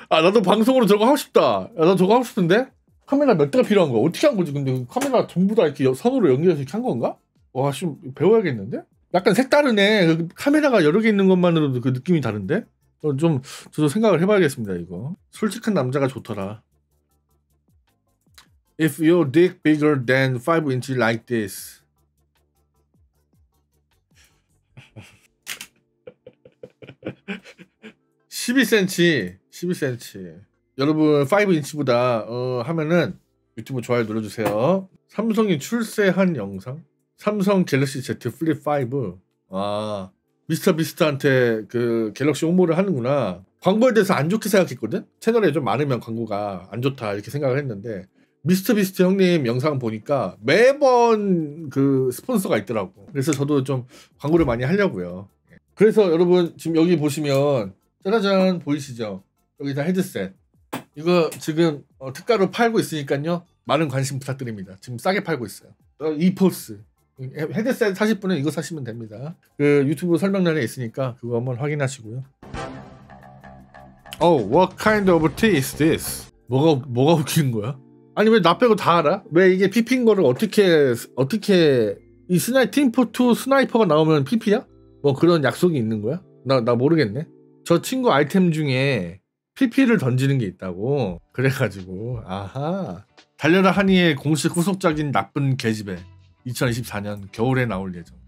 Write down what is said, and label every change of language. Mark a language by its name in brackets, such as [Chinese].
[Korean] 아 나도 방송으로 저거 하고 싶다. 야, 나 저거 하고 싶은데. 카메라 몇 대가 필요한 거야. 어떻게 한 거지. 근데 카메라 전부 다 이렇게 선으로 연결해서 이렇게 한 건가. 와 좀 배워야겠는데. 약간 색다르네. 그 카메라가 여러 개 있는 것만으로도 그 느낌이 다른데? 좀 저도 생각을 해봐야겠습니다. 이거 솔직한 남자가 좋더라. [English] If your dick bigger than 5 inch like this. [Korean] 12cm. 여러분 5인치보다 하면은 유튜브 좋아요 눌러주세요. 삼성이 출시한 영상. 삼성 갤럭시 Z 플립 5. 아 미스터 비스트한테 그 갤럭시 홍보를 하는구나. 광고에 대해서 안 좋게 생각했거든. 채널에 좀 많으면 광고가 안 좋다 이렇게 생각을 했는데 미스터 비스트 형님 영상 보니까 매번 그 스폰서가 있더라고. 그래서 저도 좀 광고를 많이 하려고요. 그래서 여러분 지금 여기 보시면 짜라잔 보이시죠. 여기다 헤드셋 이거 지금 특가로 팔고 있으니까요 많은 관심 부탁드립니다. 지금 싸게 팔고 있어요. 이포스 헤드셋 사실 분은 이거 사시면 됩니다. 그 유튜브 설명란에 있으니까 그거 한번 확인하시고요. [English] Oh, what kind of tea is this? [Korean] 뭐가 웃긴 거야? 아니 왜 나 빼고 다 알아? 왜 이게 피핀 거를 어떻게 이 팀포2 스나이퍼가 나오면 피피야? 뭐 그런 약속이 있는 거야? 나 모르겠네. 저 친구 아이템 중에 PP를 던지는 게 있다고. 그래가지고 아하 달려라 하니의 공식 후속작인 나쁜 개집애 2024년 겨울에 나올 예정.